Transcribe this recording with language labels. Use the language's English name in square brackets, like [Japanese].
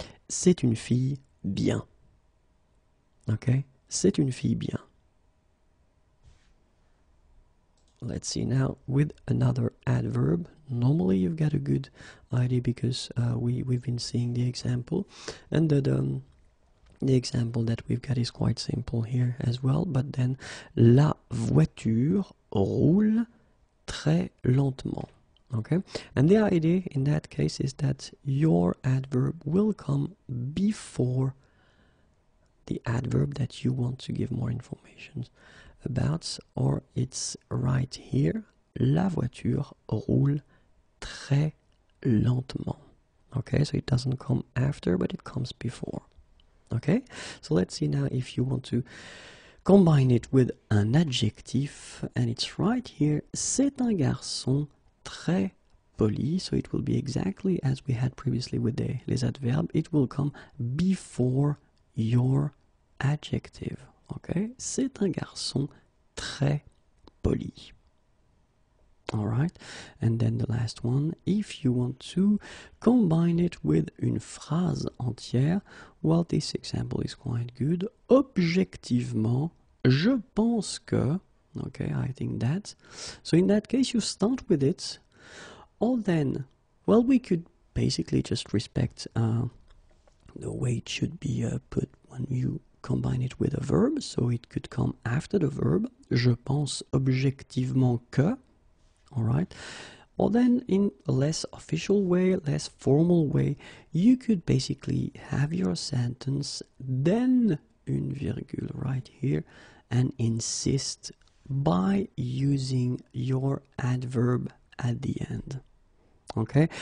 [French] C'est une fille bien. [English] Okay? [French] C'est une fille bien. [English] Let's see now with another adverb. Normally you've got a good idea because we've been seeing the example. And that, the example that we've got is quite simple here as well. But then, [French] la voiture roule très lentement. [English] Okay? And the idea in that case is that your adverb will come before the adverb that you want to give more information about, or it's right here, [French] la voiture roule très lentement. [English] Okay, so it doesn't come after, but it comes before. Okay, so let's see now if you want to combine it with an adjective, and it's right here, [French] c'est un garçon très poli. [English] So it will be exactly as we had previously with the [French] les adverbes, [English] it will come before your adjective. [French] Okay, c'est un garçon très poli. [English] All right, and then the last one, if you want to combine it with [French] une phrase entière, [English] well, this example is quite good. [French] Objectivement, je pense que, [English] okay, I think that. So in that case, you start with it. Or then, well, we could basically just respect the way it should be put when you combine it with a verb, so it could come after the verb. [French] Je pense objectivement que. [English] Alright. Or then, in a less official way, less formal way, you could basically have your sentence, then [French] une virgule [English] right here, and insist by using your adverb at the end. Okay?